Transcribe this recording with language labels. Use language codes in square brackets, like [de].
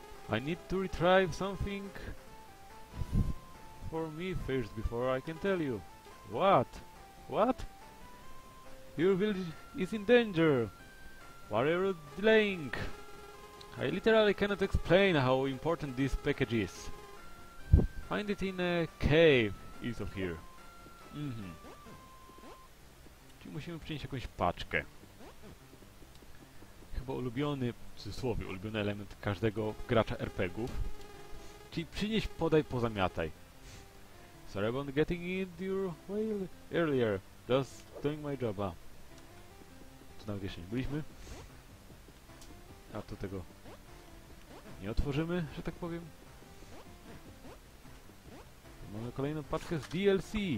[en] I need to retrieve something for me first before I can tell you. What? What? Your village is in danger. Why are you delaying? I literally cannot explain how important this package is. Find it in a cave east of here. Mm-hmm. [pl] Czyli musimy przynieść jakąś paczkę. Chyba ulubiony, w cudzysłowie, ulubiony element każdego gracza RPG-ów. Czyli przynieść, podaj, pozamiataj. [en] Sorry about getting in your way earlier. Just doing my job. [pl] Tu nawet jeszcze nie byliśmy. A tu tego nie otworzymy, że tak powiem. Mamy kolejną paczkę z DLC.